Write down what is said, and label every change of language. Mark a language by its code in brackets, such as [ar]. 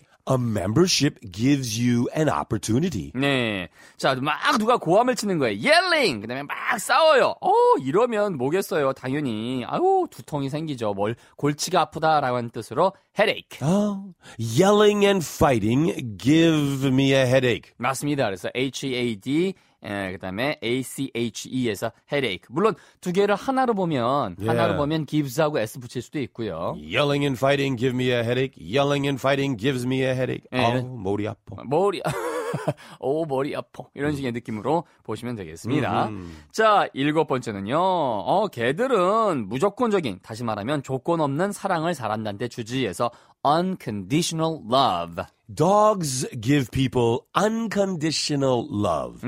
[en] A membership gives you an opportunity. [ko] 네. 자, 막 누가 고함을 치는 거예요. yelling! 그 다음에 막 싸워요. 어, 이러면 뭐겠어요. 당연히. 아우, 두통이 생기죠. 뭘, 골치가 아프다라는 뜻으로 headache. [en] Oh, yelling and fighting give me a headache. [ko] 맞습니다. 그래서 HEAD, 그 다음에 ACHE에서 headache. 물론, 두 개를 하나로 [en] Yeah. [ko] 보면 gives하고 s 붙일 수도 있고요. [en] Yelling and fighting give me a headache. Yelling and fighting gives me a headache. [ko] 네. 아우, 머리 아파. 머리, 오, 머리 아파. 이런 식의 느낌으로 보시면 되겠습니다. 자, 일곱 번째는요. 걔들은 무조건적인, 다시 말하면 조건 없는 사랑을 잘한다는 데 주지에서 unconditional love. [en] Dogs give people unconditional love.